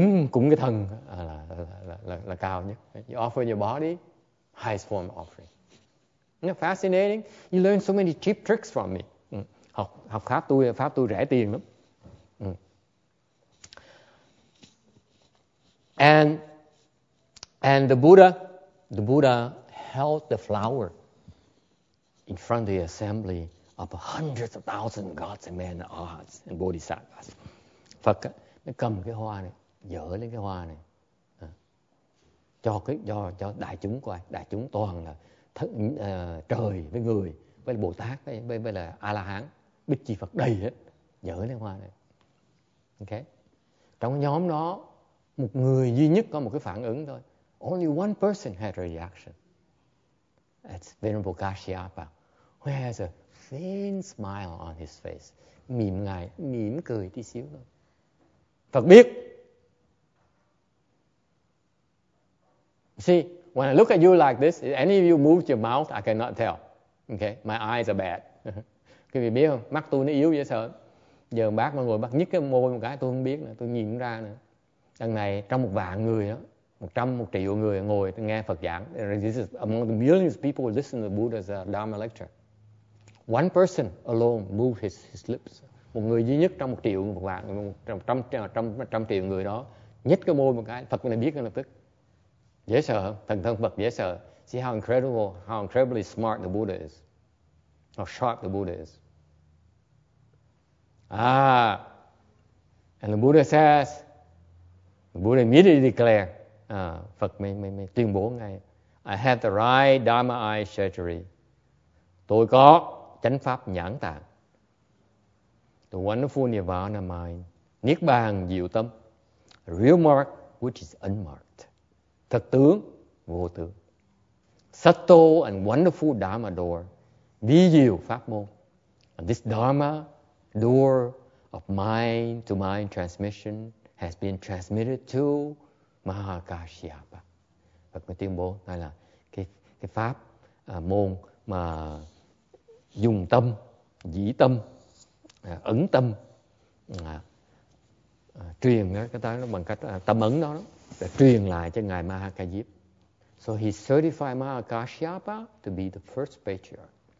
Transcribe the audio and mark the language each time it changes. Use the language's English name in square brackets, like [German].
[Vietnamese] Cúng cái thần là cao nhất. [English] You offer your body, highest form of offering. Isn't that fascinating? You learn so many cheap tricks from me. [Vietnamese] Học pháp tôi rẻ tiền lắm. [English] And the Buddha held the flower in front of the assembly of hundreds of thousands of gods and men and arhats and bodhisattvas. [Vietnamese] Phật nó cầm cái hoa này, dở lên cái hoa này, cho đại chúng coi, đại chúng toàn là trời với người với Bồ Tát với là A La Hán. Bích chi Phật đầy hết, dở lên hoa này. Ok. Trong nhóm đó, một người duy nhất có một cái phản ứng thôi. [English] Only one person had a reaction. That's Venerable Kashyapa, who has a faint smile on his face. [Vietnamese] Mỉm cười tí xíu thôi. Phật biết. [English] See, when I look at you like this, if any of you move your mouth, I cannot tell. Okay, my eyes are bad. [Vietnamese] Quý vị biết không? Mắt tôi nó yếu dễ sợ. Giờ bác mà ngồi bác nhích cái môi một cái tôi không biết nữa. Tôi nhìn ra nữa. Đằng này trong một vạn người đó, 100 triệu người ngồi nghe Phật giảng. [English] This is among the millions of people who listen to Buddha's Dharma lecture. One person alone moved his lips. [Vietnamese] Một người duy nhất trong 1 triệu, một vạn, trăm triệu người đó nhích cái môi một cái. Phật này biết ngay lập tức. Dễ sợ không? Thần thân Phật dễ sợ. [English] See how incredibly smart the Buddha is. How sharp the Buddha is. And the Buddha says, the Buddha immediately declare, [Vietnamese] Phật mới tuyên bố ngay, [English] I have the right Dharma eye surgery. [Vietnamese] Tôi có chánh pháp nhãn tạng. [English] The wonderful Nirvana mind. [Vietnamese] Niết bàn diệu tâm. [English] Real mark which is unmarked. [Vietnamese] Thật tướng vô tướng. [English] Subtle and wonderful Dharma door. [Vietnamese] Vi diệu pháp môn. [English] And this Dharma door of mind to mind transmission has been transmitted to Mahakashyapa. [Vietnamese] Phật mới tuyên bố đây là cái pháp môn mà dùng tâm, dĩ tâm, ấn tâm truyền cái đó bằng cách tâm ấn đó để truyền lại cho ngài Mahakayip. [English] So he certified Mahakashyapa to be the first patriarch.